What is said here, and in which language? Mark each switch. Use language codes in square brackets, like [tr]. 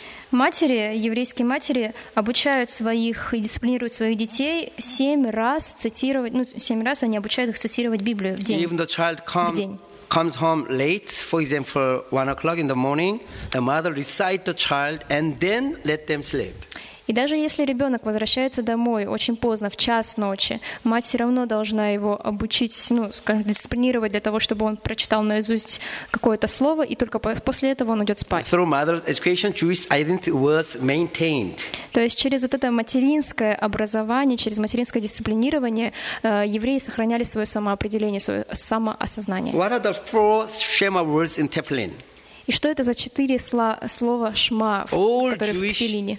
[ru] Еврейские матери обучают своих и дисциплинируют своих детей семь раз они обучают их цитировать Библию в день. [en] Even the child comes home late, for example, 1 o'clock in the morning, the mother recites the child and then let them sleep. [ru] И даже если ребенок возвращается домой очень поздно, в час ночи, мать все равно должна его обучить, ну, скажем, дисциплинировать для того, чтобы он прочитал наизусть какое-то слово, и только после этого он идет спать. [en] Through mother's education, Jewish identity was maintained. [ru] То есть через вот это материнское образование, через материнское дисциплинирование, евреи сохраняли свое самоопределение, свое самоосознание. [en] What are the four Shema words in Tefillin? [ru] И что это за четыре слова «шма», которые в Тфилине?